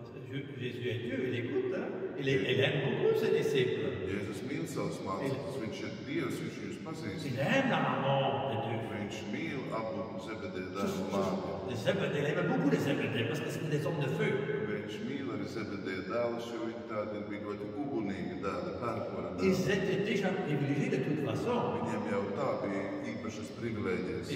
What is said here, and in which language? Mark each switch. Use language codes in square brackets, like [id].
[lv] Jēzus ir Dievs, viņš klausās, viņš ir mīlīgs par saviem mācekļiem. Jēzus mīl savus mācekļus, viņš ir Dievs, viņš jūs pazīst. [fr] Il aime la maman de Dieu. [lv] Viņš mīl abu Zebedēju dēlus mātes. [fr] Les Zebedēju, il aime beaucoup les Zebedēju, parce que c'est des hommes de feu. [lv] Viņš mīl arī Zebedēju dēlus, jo viņi tādi ir bija ļoti ugunīgi dēli, pērkona dēli. [fr] Ils étaient déjà privilégiés de toute façon. [lv] Viņiem jau tā bija īpašas privilēģijas.